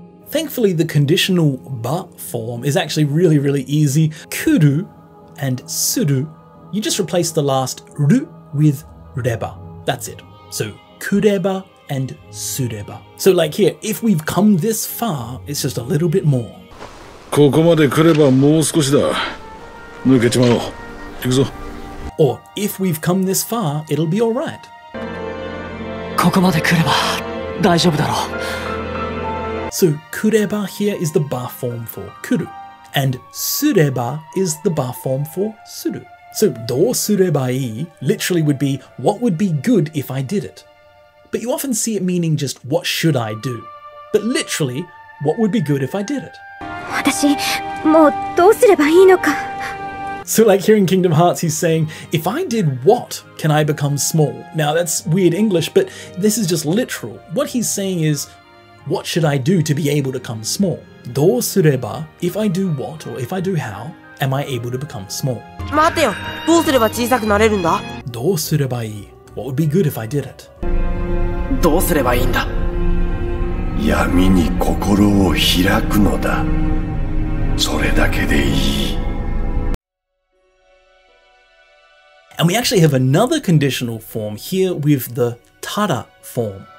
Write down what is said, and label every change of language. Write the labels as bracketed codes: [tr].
[en] Thankfully, the conditional ba form is actually really, really easy. Kuru and suru, you just replace the last ru with reba. That's it. So, kureba and sureba. So, like here, if we've come this far, it's just a little bit more. [ja] ここまで来ればもう少しだ。抜けちまおう。行くぞ。 [en] Or, if we've come this far, it'll be all right. [ja] ここまで来れば大丈夫だろう。 [en] So, kureba here is the ba form for kuru, and sureba is the ba form for suru. So, do sureba ii literally would be what would be good if I did it. But you often see it meaning just what should I do. But literally, what would be good if I did it? [ja] 私、もうどうすればいいのか? [en] So, like here in Kingdom Hearts, he's saying, if I did what, can I become small? Now, that's weird English, but this is just literal. What he's saying is,What should I do to be able to become small? どうすれば, if I do what or if I do how, am I able to become small? [ja] 待てよ、どうすれば小さくなれるんだ? どうすればいい? [en] What would be good if I did it? [ja] どうすればいいんだ? 闇に心を開くのだ。それだけでいい。 [en] And we actually have another conditional form here with the kara form.